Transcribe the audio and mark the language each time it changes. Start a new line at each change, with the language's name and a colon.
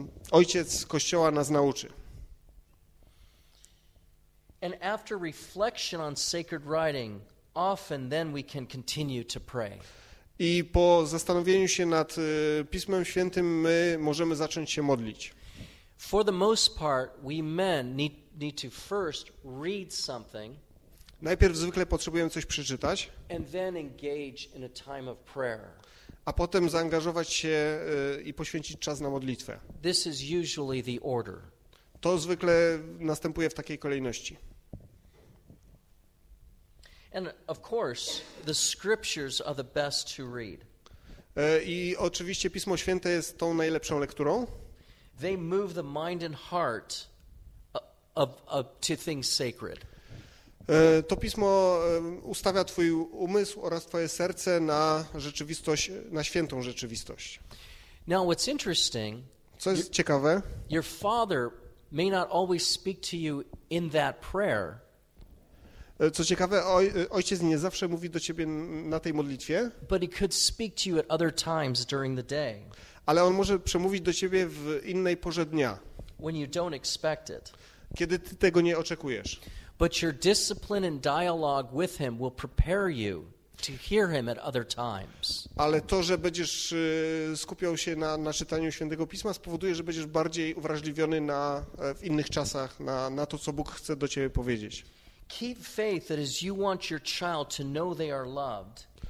Polish: Ojciec Kościoła nas nauczy.
English: And after reflection on sacred writing, often then we can continue to pray.
Polish: I po zastanowieniu się nad Pismem Świętym my możemy zacząć się modlić.
English: For the most part, we men need to first read something.
Polish: Najpierw zwykle potrzebujemy coś przeczytać.
English: And then engage in a time of prayer.
Polish: A potem zaangażować się i poświęcić czas na modlitwę.
English: This is usually the order.
Polish: To zwykle następuje w takiej kolejności.
English: And of course, the scriptures are the best to read.
Polish: I oczywiście Pismo Święte jest tą najlepszą lekturą.
English: They move the mind and heart of to things sacred.
Polish: To Pismo ustawia twój umysł oraz twoje serce na rzeczywistość, na świętą rzeczywistość.
English: Now what's interesting?
Polish: Co jest ciekawe?
English: Your father may not always speak to you in that prayer.
Polish: Co ciekawe, ojciec nie zawsze mówi do ciebie na tej modlitwie.
English: But he could speak to you at other times during the day.
Polish: Ale on może przemówić do ciebie w innej porze dnia.
English: When you don't expect it.
Polish: Kiedy ty tego nie oczekujesz.
English: But your discipline and dialogue with him will prepare you to hear him at other times.
Polish: Ale to, że będziesz skupiał się na czytaniu Świętego Pisma, spowoduje, że będziesz bardziej uwrażliwiony na w innych czasach na to, co Bóg chce do ciebie powiedzieć.
English: Keep faith that as you want your child to know they are loved.